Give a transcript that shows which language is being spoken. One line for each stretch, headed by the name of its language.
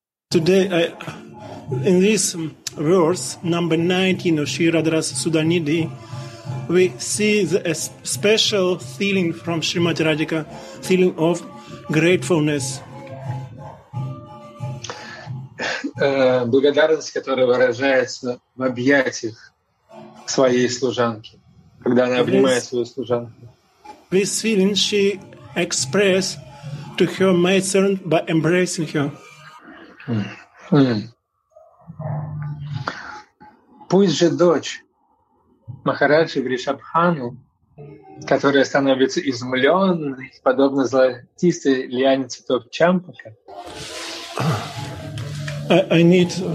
English: Today I, in this verse number 19 of Shri Radharas Sudhanidhi, we see the special feeling from Shrimati Radhika, feeling of gratefulness.
Russian: Благодарность, которая выражается в объятиях своей служанки, когда она обнимает свою служанку.
English: This feeling she expressed to her maidservant by embracing her.
Russian: Пусть же дочь Махараджи Вришабхану, которая становится изумленной, подобно золотистой лиане цветов Чампака.
English: I need.